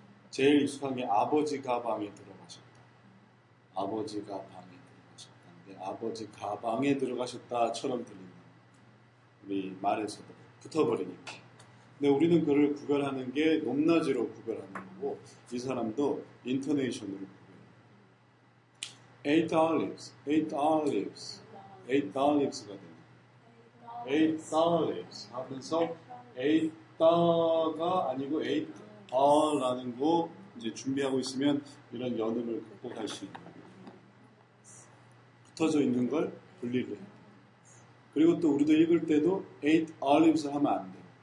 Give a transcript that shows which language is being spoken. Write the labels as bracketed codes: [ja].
[ko] 제일 익숙한 게 아버지가 방에 들어가셨다. 아버지가 방에 들어가셨다. 근데 아버지가 방에 들어가셨다처럼 들리는 우리 말에서도 붙어버리니까. 근데 우리는 그를 구별하는 게 높낮이로 구별하는 거고 이 사람도 인터네이션으로 구별해요. [en] Eight olives, eight olives, eight olives가 됩니다. Eight olives [ko] 하면서 eight가 아니고 eight all라는 거 이제 준비하고 있으면 이런 연음을 극복할 수 있는 붙어져 있는 걸 분리를 해요. 그리고 또 우리도 읽을 때도 [en] eight olives [ko] 하면 안 돼요.